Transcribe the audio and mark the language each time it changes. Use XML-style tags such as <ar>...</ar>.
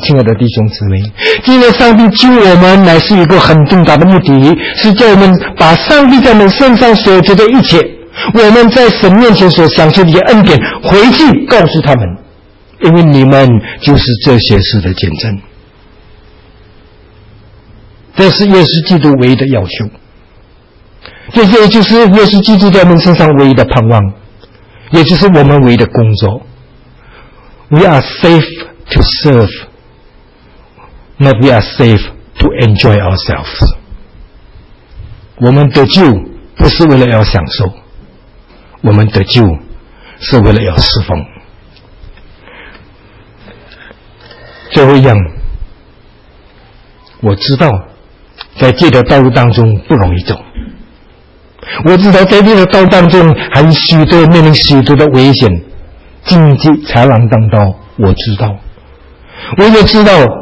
<zh>亲爱的弟兄姊妹，今天上帝救我们乃是一个很重大的目的，是叫我们把上帝在我们身上所做的一切，我们在神面前所享受的一些恩典回去告诉他们，因为你们就是这些事的见证。这是耶稣基督唯一的要求，这些就是耶稣基督在我们身上唯一的盼望，也就是我们唯一的工作。</zh> <en>We are safe to serve, not we are safe to enjoy ourselves.</en> <zh>我们得救不是为了要享受，我们得救是为了要侍奉。最后一样，我知道在这条道路当中不容易走，我知道在这条道路当中还有许多面临许多的危险，荆棘豺狼当道，我知道，我也知道</zh>